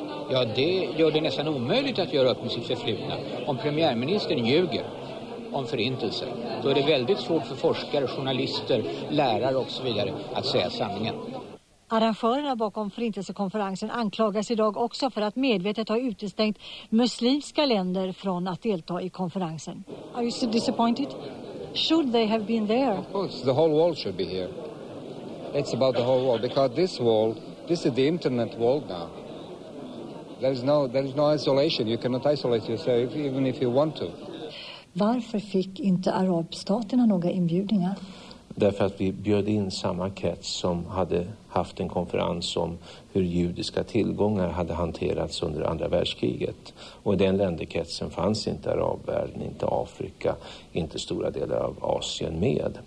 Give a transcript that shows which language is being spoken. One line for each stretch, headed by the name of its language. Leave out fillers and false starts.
Swedish: Ja, det gör det nästan omöjligt att göra upp med sitt förflutna. Om premiärministern ljuger om förintelsen, då är det väldigt svårt för forskare, journalister, lärare och så vidare att säga sanningen. Arrangörerna bakom förintelsekonferensen anklagas idag också för att medvetet ha utestängt muslimska länder från att delta i konferensen.
English: Are you so disappointed? Should they have been there? Of course, the whole world should be here. It's about the whole world, because this wall, this is the internet world now. There is no isolation. You cannot isolate yourself even if you want to.
Swedish: Varför fick inte arabstaterna några inbjudningar? Därför att vi bjöd in samma krets som hade haft en konferens om hur judiska tillgångar hade hanterats under andra världskriget. Och i den länderkretsen fanns inte arabvärlden, inte Afrika, inte stora delar av Asien med.